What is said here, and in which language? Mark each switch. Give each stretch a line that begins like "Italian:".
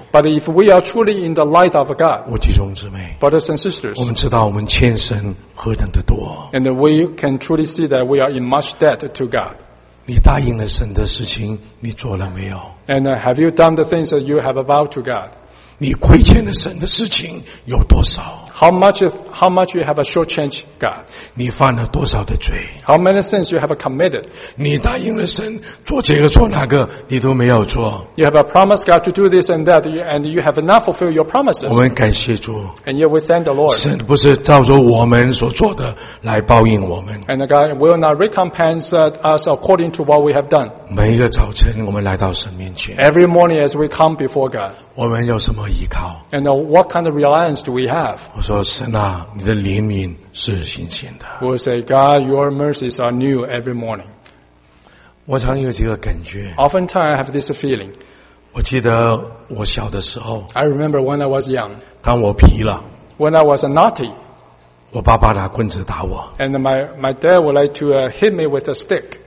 English: But if we are truly in the light of God,
Chinese: 我弟兄姊妹，
English: Brothers and sisters,
Chinese: 我们知道我们欠神何等的多。
English: And we can truly see that we are in much debt to God.
Chinese: 你答应了神的事情你做了没有？
English: And have you done the things that you have vowed to God?
Chinese: 你亏欠了神的事情有多少？
English: How much you have a shortchanged God?
Chinese: 你犯了多少的罪？
English: How many sins you have committed?
Chinese: 你答应了神做这个做那个你都没有做。
English: You have a promise God to do this and that, and you have not fulfilled your promises.
Chinese: 我们感谢主。
English: And yet we thank the Lord.
Chinese: 神不是照着我们所做的来报应我们。
English: And God will not recompense us according to what we have done.
Chinese: 每一个早晨我们来到神面前。
English: Every morning as we come before God.
Chinese: 我们有什么依靠？
English: And what kind of reliance do we have?
Chinese: 我说神啊，你的怜悯是新鲜的。
English: We say, God, your mercies are new every morning.
Chinese: 我常有这个感觉。
English: Oftentimes I have this feeling.
Chinese: 我记得我小的时候。
English: I remember when I was young.
Chinese: 当我皮了。
English: When I was naughty.
Chinese: 我爸爸拿棍子打我。
English: And my dad would like to hit me with a stick.